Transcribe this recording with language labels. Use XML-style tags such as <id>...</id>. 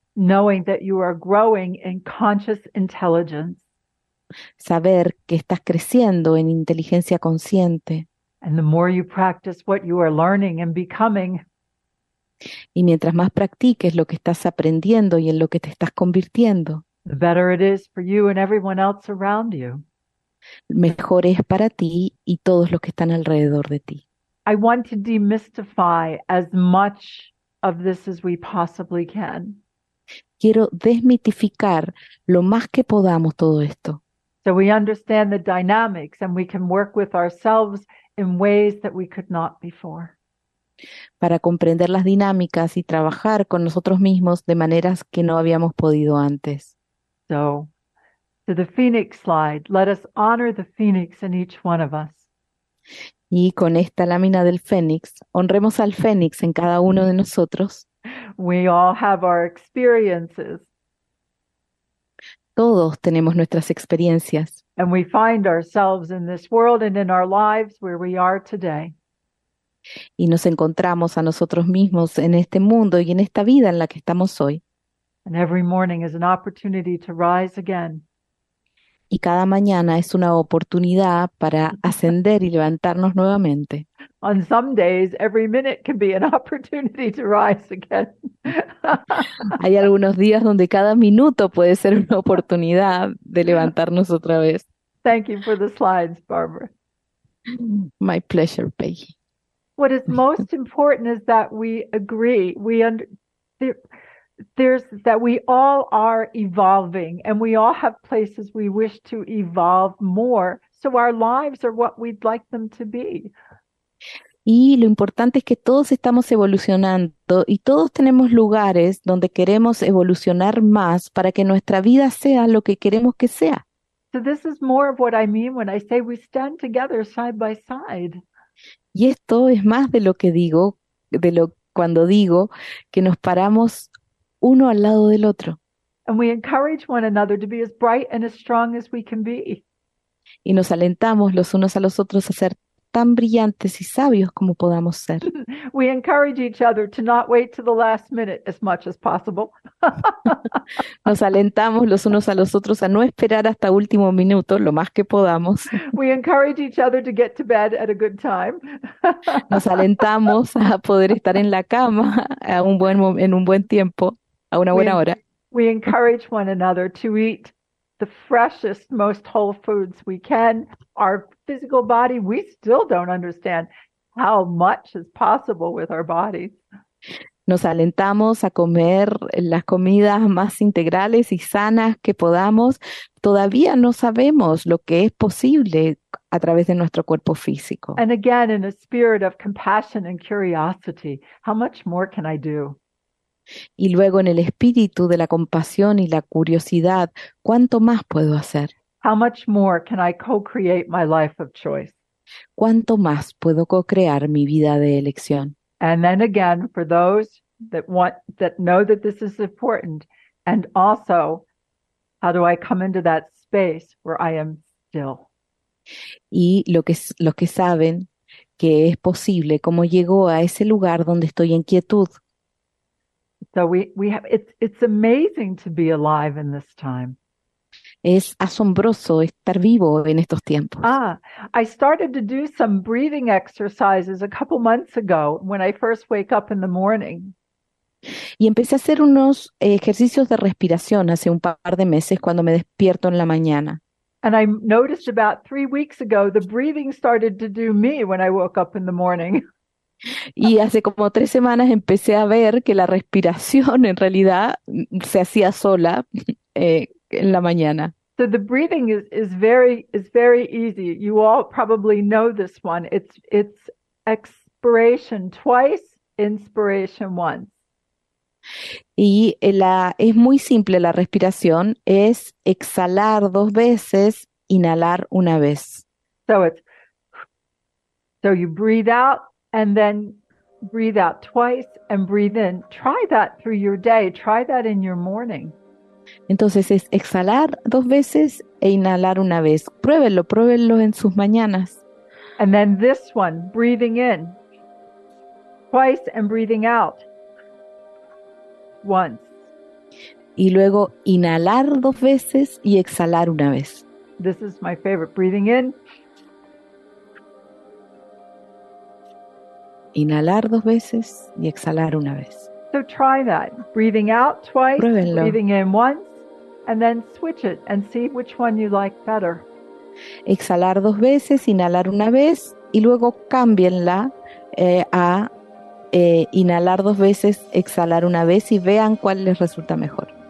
<en>Knowing that you are growing in conscious intelligence.</en> <es>Saber que estás creciendo en inteligencia consciente.</es> <en>And the more you practice what you are learning and becoming.</en> <es>Y mientras más practiques lo que estás aprendiendo y en lo que te estás convirtiendo,</es> <en>the better it is for you and everyone else around you.</en> <es>Mejor es para ti y todos los que están alrededor de ti.</es> <en>I want to demystify as much of this as we possibly can.</en> <es>Quiero desmitificar lo más que podamos todo esto.</es> <en>So we understand the dynamics and we can work with ourselves in ways that we could not before.</en> <es>Para comprender las dinámicas y trabajar con nosotros mismos de maneras que no habíamos podido antes.</es> <en>So, to the phoenix slide, let us honor the phoenix in each one of us.</en> <es>Y con esta lámina del fénix, honremos al fénix en cada uno de nosotros.</es> <en>We all have our experiences.</en> <es>Todos tenemos nuestras experiencias.</es> <en>And we find ourselves in this world and in our lives where we are today.</en> <es>Y nos encontramos a nosotros mismos en este mundo y en esta vida en la que estamos hoy.</es> <en>And every morning is an opportunity to rise again.</en> <es>Y cada mañana es una oportunidad para ascender y levantarnos nuevamente.</es> <en>On some days, every minute can be an opportunity to rise again.</en> <es>Hay algunos días donde cada minuto puede ser una oportunidad de levantarnos otra vez.</es> <en>Thank you for the slides, Barbara. My pleasure, Peggy. What is most important is that we agree. There's that we all are evolving and we all have places we wish to evolve more. So our lives are what we'd like them to be.</en> <es>Y lo importante es que todos estamos evolucionando y todos tenemos lugares donde queremos evolucionar más para que nuestra vida sea lo que queremos que sea.</es> <en>So this is more of what I mean when I say we stand together side by side.</en> <es>Y esto es más de lo que digo, de lo cuando digo que nos paramos uno al lado del otro.</es> <en>And we encourage one another to be as bright and as strong as we can be.</en> <es>Y nos alentamos los unos a los otros a ser tan brillantes y sabios como podamos ser.</es> <en>We encourage each other to not wait to the last minute as much as possible.</en> <es>Nos alentamos los unos a los otros a no esperar hasta último minuto lo más que podamos.</es> <en>We encourage each other to get to bed at a good time.</en> <es>Nos alentamos a poder estar en la cama a un buen en un buen tiempo. A una buena hora.</es> <en>We encourage one another to eat the freshest, most whole foods we can. Our physical body, we still don't understand how much is possible with our bodies.</en> <es>Nos alentamos a comer las comidas más integrales y sanas que podamos. Todavía no sabemos lo que es posible a través de nuestro cuerpo físico.</es> <en>And again, in a spirit of compassion and curiosity, how much more can I do?</en> <es>Y luego en el espíritu de la compasión y la curiosidad, ¿cuánto más puedo hacer?</es> <en>How much more can I co-create my life of choice?</en> <es>¿Cuánto más puedo co-crear mi vida de elección?</es> <en>And then again, for those that know that this is important, and also how do I come into that space where I am still?</en> <es>Y lo que saben que es posible, cómo llego a ese lugar donde estoy en quietud.</es> <en>So we have it's amazing to be alive in this time.</en> <es>Es asombroso estar vivo en estos tiempos.</es> <en>Ah, I started to do some breathing exercises a couple months ago when I first wake up in the morning.</en> <es>Y empecé a hacer unos ejercicios de respiración hace un par de meses cuando me despierto en la mañana.</es> <en>And I noticed about 3 weeks ago the breathing started to do me when I woke up in the morning.</en> <es>Y hace como 3 semanas empecé a ver que la respiración en realidad se hacía sola en la mañana.</es> <en>So the breathing is very easy. You all probably know this one. It's expiration twice, inspiration once.</en> <es>Y es muy simple la respiración. Es exhalar dos veces, inhalar una vez.</es> <en>So you breathe out. And then breathe out twice and breathe in. Try that through your day. Try that in your morning.</en> <es>Entonces es exhalar dos veces e inhalar una vez. Pruébenlo en sus mañanas.</es> <en>And then this one, breathing in twice and breathing out once.</en> <es>Y luego inhalar dos veces y exhalar una vez.</es> <en>This is my favorite, breathing in.</en> <es>Inhalar dos veces y exhalar una vez.</es> <en>So try that. Breathing out twice,</en> <es>pruébenlo.</es> <en>Breathing in once, and then switch it and see which one you like better.</en> <es>Exhalar dos veces, inhalar una vez, y luego cámbienla a inhalar dos veces, exhalar una vez, y vean cuál les resulta mejor.</es>